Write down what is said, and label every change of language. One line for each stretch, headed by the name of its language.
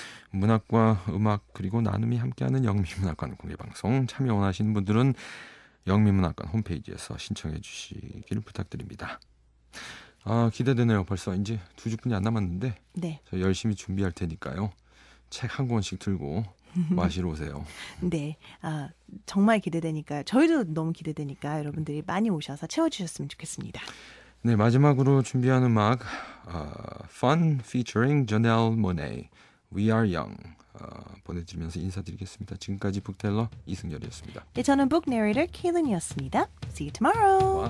Korean: 문학과 음악 그리고 나눔이 함께하는 영미문학관 공개 방송 참여 원하시는 분들은 영미문학관 홈페이지에서 신청해 주시기를 부탁드립니다. 아, 기대되네요. 벌써 이제 두 주뿐이 안 남았는데. 네. 저 열심히 준비할 테니까요. 책 한 권씩 들고 마시러 오세요. 네. 아, 정말 기대되니까 저희도 너무 기대되니까 여러분들이 많이 오셔서 채워주셨으면 좋겠습니다. 네. 마지막으로 준비한 음악 Fun featuring Janelle Monae We Are Young 보내드리면서 인사드리겠습니다. 지금까지 북텔러 이승열이었습니다. 네. 저는 북 내레이터 케일린이었습니다.
English: See you tomorrow.